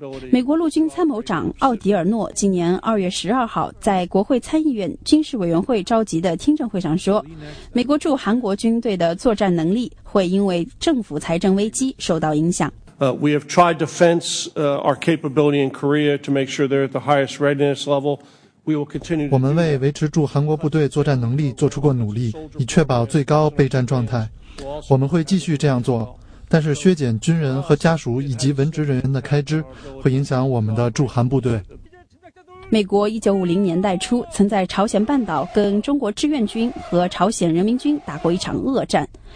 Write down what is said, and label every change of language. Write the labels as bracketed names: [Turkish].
[Chinese] 美国陆军参谋长奥迪尔诺今年2月12号在国会参议院军事委员会召集的听证会上说，美国驻韩国军队的作战能力会因为政府财政危机受到影响。 [English] We have tried to fence our capability in Korea to make sure they're at the highest readiness level. [Chinese] 我们为维持驻韩国部队作战能力做出过努力，以确保最高备战状态。我们会继续这样做，但是削减军人和家属以及文职人员的开支会影响我们的驻韩部队。美国1950年代初曾在朝鲜半岛跟中国志愿军和朝鲜人民军打过一场恶战。